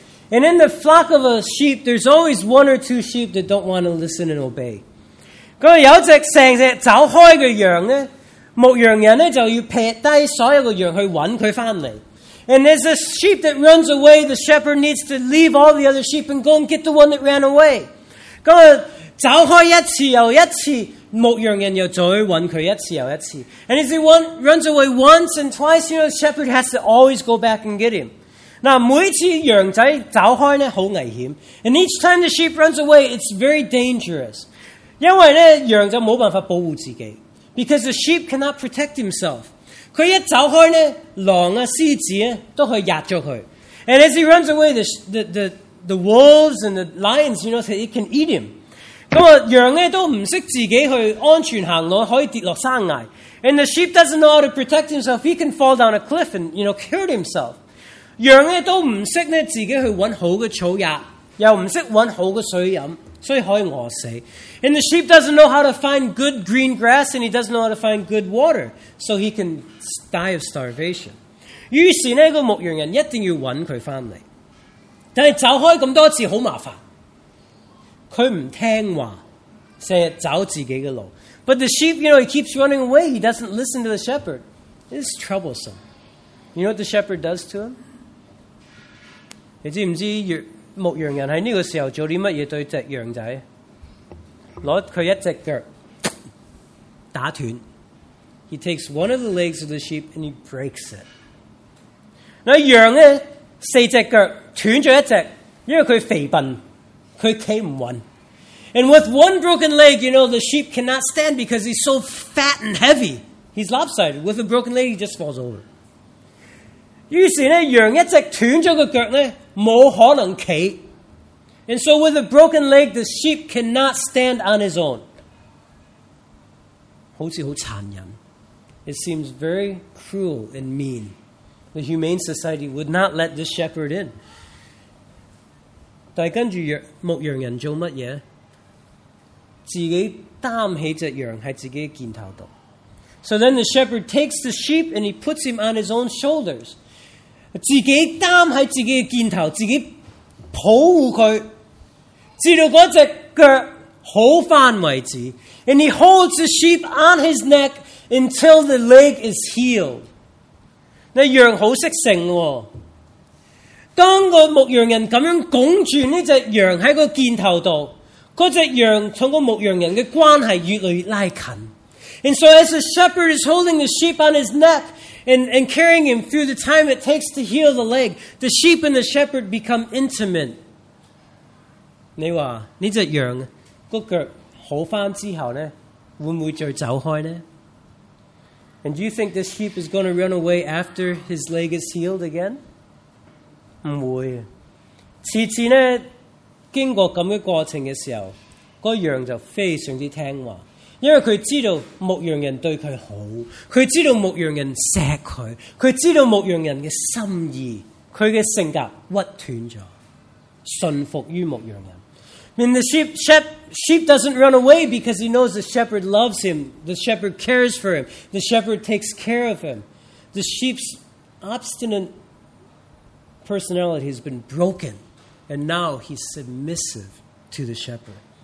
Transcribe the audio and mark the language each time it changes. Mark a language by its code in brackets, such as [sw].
[en] And in the flock of a sheep, there's always one or two sheep that don't want to listen and obey. [yue] 咁有一只成只走开嘅羊咧，牧羊人咧就要撇低所有嘅羊去揾佢翻嚟。 [en] And there's a sheep that runs away, the shepherd needs to leave all the other sheep and go and get the one that ran away. [yue] 咁走开一次又一次，牧羊人又再揾佢一次又一次。 [en] And if he runs away once and twice, you know, the shepherd has to always go back and get him. [yue] 那每次羊仔走开呢，好危险。 [en] And each time the sheep runs away, it's very dangerous. [yue] 因为呢，羊就冇办法保护自己。 [en] Because the sheep cannot protect himself. [yue] 佢一走开呢，狼啊、狮子啊都可以压咗佢。 [en] And as he runs away, the wolves and the lions, you know, it can eat him. [yue] 咁啊，羊咧都唔识自己去安全行路，可以跌落山崖。 [en] And the sheep doesn't know how to protect himself. He can fall down a cliff and you know hurt himself. [yue] 羊咧都唔识咧自己去揾好嘅草吔，又唔识揾好嘅水饮，所以可以饿死。 [en] And the sheep doesn't know how to find good green grass, and he doesn't know how to find good water, so he can die of starvation. [yue] 于是呢个牧羊人一定要揾佢翻嚟，但系走开咁多次好麻烦。佢唔听话，成日走自己嘅路。 [en] But the sheep, you know, he keeps running away. He doesn't listen to the shepherd. It's troublesome. You know what the shepherd does to him? [yue] 你知唔知牧羊人喺呢个时候做啲乜嘢对只羊仔？攞佢一只脚打断。 [en] He takes one of the legs of the sheep and he breaks it. [yue] 那羊咧四只脚断咗一只，因为佢肥笨。佢企唔穩。 [en] And with one broken leg, you know, the sheep cannot stand because he's so fat and heavy. He's lopsided. With a broken leg, he just falls over. [yue] 於是呢，羊一隻斷咗個腳呢，冇可能企。 [en] And so with a broken leg, the sheep cannot stand on his own. [yue] 好似好殘忍。 [en] It seems very cruel and mean. The Humane Society would not let this shepherd in. [yue] 但系跟住牧羊人做乜嘢？自己担起只羊喺自己肩头度。 [en] So then the shepherd takes the sheep and he puts him on his own shoulders. [yue] 自己担喺自己肩头，自己抱护佢，直到嗰只脚好翻为止。 [en] And he holds the sheep on his neck until the leg is healed. [yue] 那羊好识性喎。当个牧羊人咁样拱住呢只羊喺个肩头度，嗰只羊同个牧羊人嘅关系越来越拉近。 [en] And so as the shepherd is holding the sheep on his neck and carrying him through the time it takes to heal the leg, the sheep and the shepherd become intimate. [yue] 你话呢只羊个脚好翻之后呢，会唔会再走开呢？ [en] And do you think this sheep is going to run away after his leg is healed again? [yue] 唔会，次次咧经过咁嘅过程嘅时候，嗰羊就非常之听话，因为佢知道牧羊人对佢好，佢知道牧羊人锡佢，佢知道牧羊人嘅心意，佢嘅性格屈断咗，顺服于牧羊人。 [en] And the sheep doesn't run away because he knows the shepherd loves him, the shepherd cares for him, the shepherd takes care of him. The sheep's obstinate personality has been broken, and now he's submissive to the shepherd.